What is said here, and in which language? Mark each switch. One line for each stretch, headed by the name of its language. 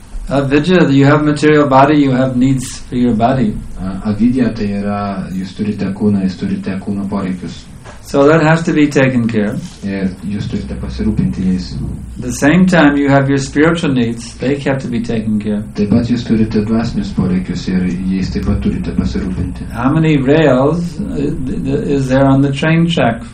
English: Avidya, you have material body, you have needs for your body.
Lithuanian: Avidya, tai yra, jūs turite kūną, jūs turite kūno poreikius.
English: So that has to be taken care of.
Lithuanian: Ir jūs turite pasirūpinti jais.
English: The same time you have your spiritual needs, they have to be taken care of.
Lithuanian: Taip pat jūs turite dvasinius poreikius ir jais taip pat turite pasirūpinti.
English: How many rails is there on the train track?